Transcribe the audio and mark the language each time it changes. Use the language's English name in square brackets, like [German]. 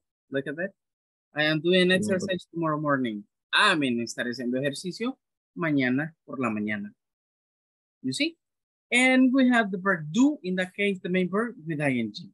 [English] Look at that. I am doing exercise tomorrow morning. [Spanish] Amén, estaré haciendo ejercicio mañana por la mañana. [English] You see? And we have the verb do, in that case, the main verb with ing.